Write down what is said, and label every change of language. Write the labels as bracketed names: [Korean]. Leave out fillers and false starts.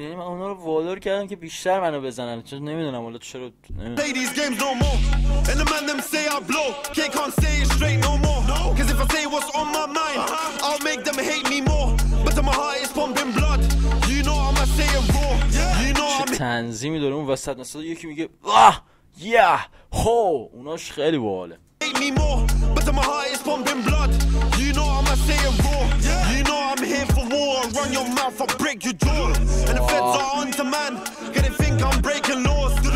[Persian] یعنی من اونا رو وادار کردم که بیشتر منو بزنن. چون نمیدونم حالا چرا. [English] Play these games no more. And the man them say I blow. Can't say it straight no more. Cause if I say what's on my mind, I'll make them hate me more. But to my heart is pumping blood. You know I'ma say it raw. You know I'm. [Persian] تنظیمی داره اون وسط، مثلا یکی میگه واه [English] yeah ho. [Persian] اوناش خیلی باحاله. [English] Hate me more. But to my heart is pumping blood. You know I'ma say it raw. You know I'm here for war. Run your mouth, I'll break your jaw. And the feds are on to man. Gonna think I'm breaking laws.